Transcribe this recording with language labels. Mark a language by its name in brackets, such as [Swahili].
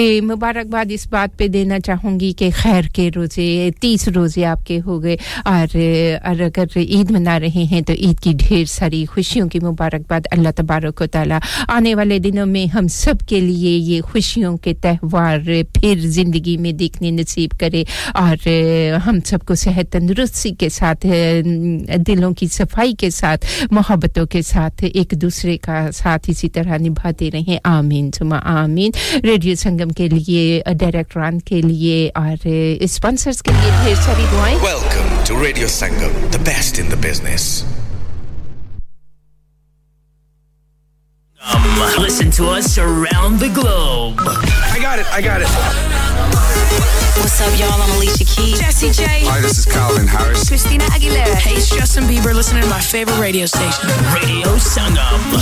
[Urdu] مبارکباد اس بات پہ دینا چاہوں گی کہ خیر کے روزے 30 روزے آپ کے ہو گئے اور اگر عید منا رہے ہیں تو عید کی ڈھیر ساری خوشیوں کی مبارکباد اللہ تبارک و تعالی آنے والے دنوں میں ہم سب کے لیے یہ خوشیوں کے تہوار پھر زندگی میں دیکھنے نصیب کرے اور ہم سب کو صحت تندرستی کے ساتھ دلوں کی صفائی کے ساتھ محبتوں کے ساتھ ایک دوسرے کا ساتھ اسی طرح نبھاتے رہیں آمین ثم آمین ریڈیو سنگم کے لیے ڈائریکٹران کے لیے اور سپانسرز کے لیے پھر ساری دعائیں [English] Welcome to radio Sangam the best in the business Listen to us around the globe. I got it. What's up, y'all? I'm Alicia Keys. Jessie J. Hi, this is Calvin Harris. Christina Aguilera. Hey, it's Justin Bieber. Listening to my favorite radio station, Radio Sangam.